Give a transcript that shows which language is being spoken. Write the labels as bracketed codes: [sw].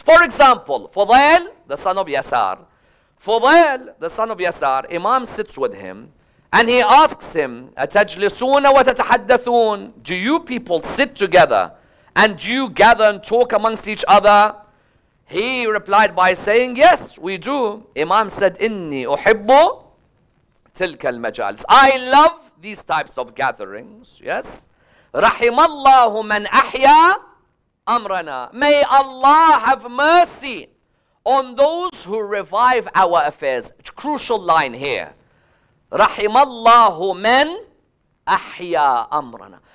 [en] For example, Fudail, the son of Yasar. Fudail, the son of Yasar, Imam sits with him and he asks him, [ar] أَتَجْلِسُونَ وَتَتَحَدَّثُونَ? [en] Do you people sit together and do you gather and talk amongst each other? He replied by saying, yes, we do. Imam said, [ar] إِنِّي أُحِبُّ تِلْكَ الْمَجَالِسِ. [en] I love these types of gatherings, yes. [ar] رَحِمَ اللَّهُ مَنْ أَحْيَى أَمْرَنَا. [en] May Allah have mercy on those who revive our affairs. Crucial line here. [ar] رَحِمَ اللَّهُ مَنْ أَحْيَى أَمْرَنَا.